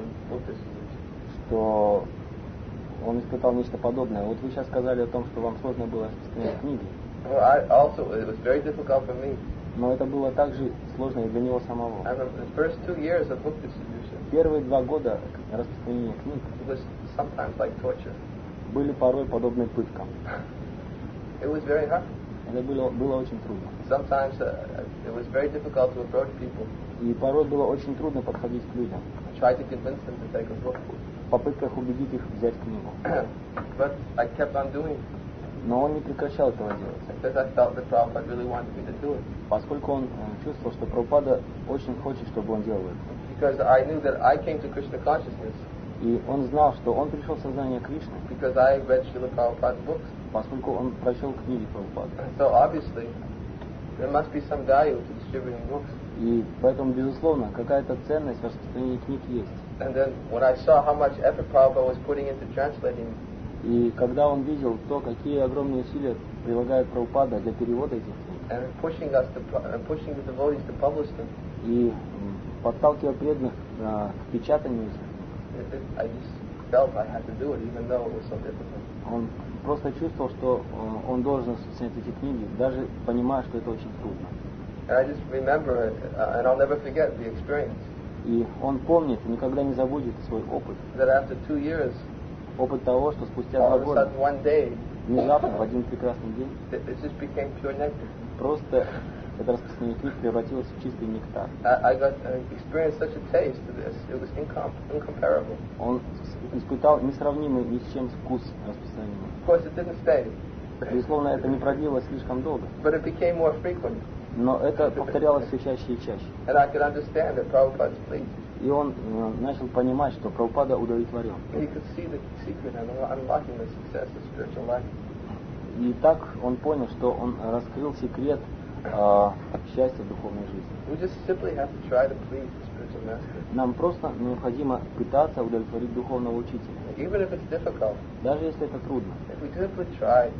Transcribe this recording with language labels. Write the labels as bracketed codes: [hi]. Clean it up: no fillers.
[en] You had the example about going out of Buddhist. [ru] Он испытал нечто подобное. Вот вы сейчас сказали о том, что вам сложно было распространять книги. [en] Well, I also, it was very difficult for me. [ru] Но это было также сложно и для него самого. [en] The first 2 years of book distribution. [ru] Первые 2 года распространения книг [en] was sometimes like torture. [ru] Были порой подобны пыткам. [en] It was very hard. [ru] Это было очень трудно. [en] Sometimes it was very difficult to approach people. [ru] И порой было очень трудно подходить к людям. [en] I tried to convince them to take a book. [ru] В попытках убедить их взять книгу. [en] But I kept on doing. [ru] Но он не прекращал этого делать. [en] Because I felt that Prabhupada really wanted me to do it. [ru] Поскольку он чувствовал, что Прабхупада очень хочет, чтобы он делал это. [en] Because I knew that I came to Krishna consciousness. [ru] И он знал, что он пришел в сознание Кришны. [en] Because I read Srila Prabhupada's books. [ru] Поскольку он прочел книги Прабхупады. [en] So obviously there must be some value to distributing books. [ru] И поэтому, безусловно, какая-то ценность в распространении книг есть. [en] And then when I saw how much effort Prabhupada was putting into translating, [ru] и когда он видел то, какие огромные усилия прилагает Прабхупада для перевода этих книг, [en] and pushing us to pushing the devotees to publish them, [ru] и подталкивая преданных к печатанию, [en] I just felt I had to do it, even though it was so difficult. [ru] Он просто чувствовал, что он должен снять эти книги, даже понимая, что это очень трудно. [en] And I just remember it, and I'll never forget the experience. [ru] И он помнит, никогда не забудет свой опыт. [en] That after 2 years, [ru] опыт того, что спустя 2 года, [en] one day, [ru] внезапно, в один прекрасный день, [en] it just became pure nectar. [ru] Просто это распространение книг превратилось в чистый нектар. [en] I experienced such a taste of this. It was incomparable. [ru] Он испытал несравнимый ни с чем вкус распространения. [en] Of course, it didn't stay. [ru] Безусловно, это не продлилось слишком долго. [en] But it became more frequent. [ru] Но это повторялось все чаще и чаще. [en] And I could understand that Prabhupada's pleased. [ru] И он начал понимать, что Прабхупада удовлетворен. [en] He could see the secret of unlocking the success of spiritual life. [ru] И так он понял, что он раскрыл секрет счастья в духовной жизни. [en] We just simply have to try to please the spiritual master. [ru] Нам просто необходимо пытаться удовлетворить духовного учителя. [en] Even if it's difficult. [ru] Даже если это трудно. [en] If we simply try.